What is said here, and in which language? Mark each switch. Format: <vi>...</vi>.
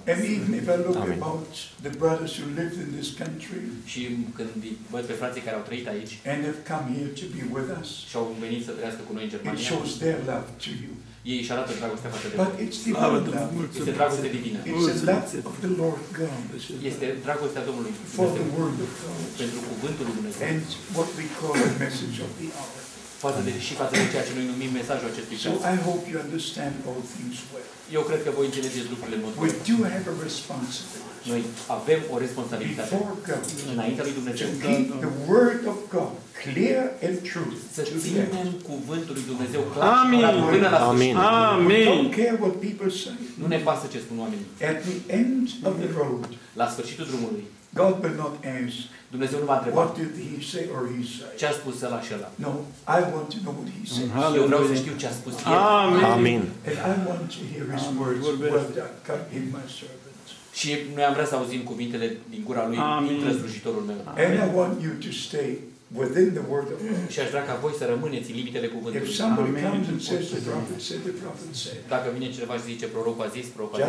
<en>And even if I look about the brothers who lived in this country.</en> <ro>Și când văd pe frații care au trăit aici.</ro> <en>And have come here to be with us.</en> <ro>Și au venit să trăiască cu noi în Germania.</ro> <en>It shows their love to you.</en> <ro>Ei își arată dragostea față de</ro> <en>voi. But it's divine love.</en> <ro>Este dragoste divină.</ro> <en>It's the love of the Lord God.</en> <ro>Este dragostea Domnului.</ro> <en>For the word of God.</en> <ro>Pentru cuvântul lui Dumnezeu.</ro> <en>And what we call the message of the hour.</en> <ro>Față de, și față de ceea ce noi numim mesajul acestui</ro> <en>so I hope you understand all things well.</en> <ro>Eu cred că voi înțelegeți lucrurile în mod</ro> <en>we do have a responsibility.</en> <ro>Noi avem o responsabilitate înaintea lui Dumnezeu.</ro> <en>To keep the word of God clear and true.</en> <ro>Să ținem cuvântul lui Dumnezeu clar. Amin. Până la amin.</ro> <en>Amin. Don't care what people say.</en> <ro>Nu ne pasă ce spun oamenii.</ro> <en>At the end of the road.</en> <ro>La sfârșitul drumului.</ro> <en>God will not ask.</en> <ro>Dumnezeu nu va întreba.</ro> <en>What did he say or he say?</en> <ro>Ce a spus ăla și ăla?</ro> <en>No, I want to know what he said. Hallelujah.</en> <ro>Eu vreau să știu ce a spus el. Amen. Amen.</ro> <en>And I want to hear his words. Amen.</en> <ro>Și noi am vrea să auzim cuvintele din gura lui, din slujitorul meu.</ro> <en>And I want you to stay within the word of God.</en> <ro>Și aș vrea ca voi să rămâneți în limitele cuvântului.</ro> <en>If somebody comes and says the prophet said, the prophet said.</en> <ro>Dacă vine cineva și zice prorocul a zis, prorocul a zis.</ro>